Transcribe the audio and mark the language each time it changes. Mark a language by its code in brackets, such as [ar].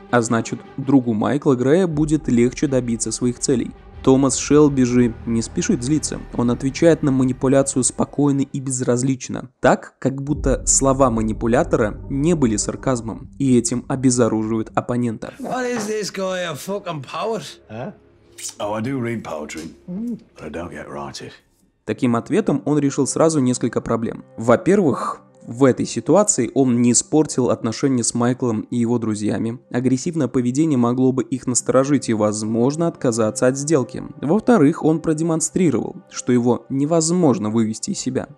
[ru] А значит, другу Майкла Грея будет легче добиться своих целей. Томас Шелби же не спешит злиться. Он отвечает на манипуляцию спокойно и безразлично. Так, как будто слова манипулятора не были сарказмом. И этим обезоруживает оппонента. [en] What is this guy, a fucking poet? Huh? Oh, I do read poetry, but I don't yet write it. [ru] Таким ответом он решил сразу несколько проблем. Во-первых, в этой ситуации он не испортил отношения с Майклом и его друзьями. Агрессивное поведение могло бы их насторожить и, возможно, отказаться от сделки. Во-вторых, он продемонстрировал, что его невозможно вывести из себя.